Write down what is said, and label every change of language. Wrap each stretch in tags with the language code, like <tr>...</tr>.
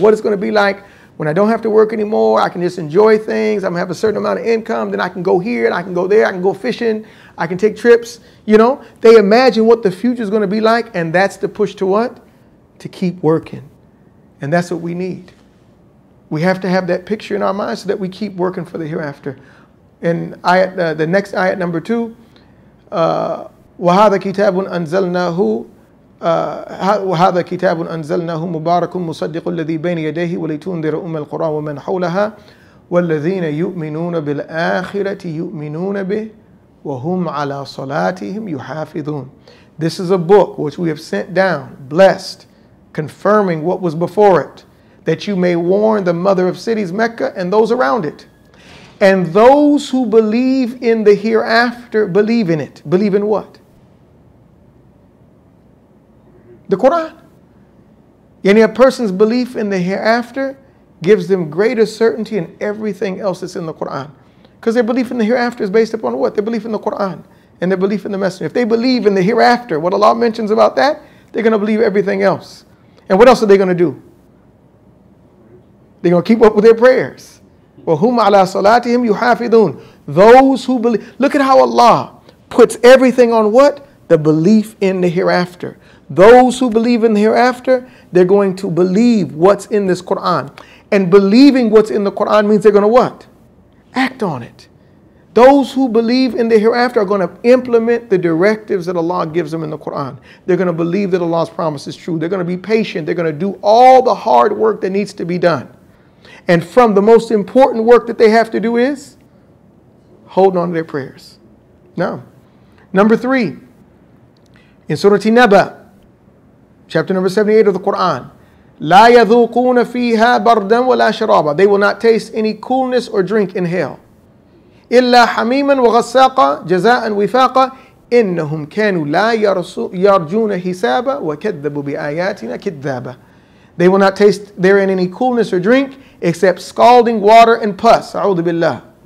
<en>What it's going to be like when I don't have to work anymore, I can just enjoy things, I'm going to have a certain amount of income, then I can go here and I can go there, I can go fishing, I can take trips. You know, they imagine what the future is going to be like, and that's the push to what? To keep working. And that's what we need. We have to have that picture in our minds so that we keep working for the hereafter. And the next ayat, number two,</en> <ar>وَهَذَا كِتَابٌ أَنزَلْنَاهُ هذا كتاب أنزلناه مبارك مصدق الذي بين يديه ولتنذر أم القرى ومن حولها والذين يؤمنون بالآخرة يؤمنون به وهم على صلاتهم يحافظون.</ar> <en>This is a book which we have sent down, blessed, confirming what was before it, that you may warn the mother of cities, Mecca, and those around it. And those who believe in the hereafter, believe in it. Believe in what? The Quran. Yani a person's belief in the hereafter gives them greater certainty in everything else that's in the Quran. Because their belief in the hereafter is based upon what? Their belief in the Quran and their belief in the Messenger. If they believe in the hereafter, what Allah mentions about that, they're going to believe everything else. And what else are they going to do? They're going to keep up with their prayers.</en> <ar>وَهُمْ عَلَىٰ صَلَاتِهِمْ يُحَافِظُونَ</ar> <en>Those who believe. Look at how Allah puts everything on what? The belief in the hereafter. Those who believe in the hereafter, they're going to believe what's in this Quran. And believing what's in the Quran means they're going to what? Act on it. Those who believe in the hereafter are going to implement the directives that Allah gives them in the Quran. They're going to believe that Allah's promise is true. They're going to be patient. They're going to do all the hard work that needs to be done. And from the most important work that they have to do is holding on to their prayers. Now, number three, in Surah Naba, chapter number 78 of the Quran.</en> <ar>لَا يَذُوقُونَ فِيهَا بَرْدًا وَلَا شَرَابًا</ar> <en>They will not taste any coolness or drink in hell.</en> <ar>إِلَّا حَمِيمًا وَغَسَّاقًا جَزَاءً وِفَاقًا إِنَّهُمْ كَانُوا لَا يَرْجُونَ حِسَابًا وَكَذَّبُوا بِآيَاتِنَا كِذَّابًا</ar> <en>They will not taste therein any coolness or drink except scalding water and pus.</en> <ar>أعوذ بالله.</ar>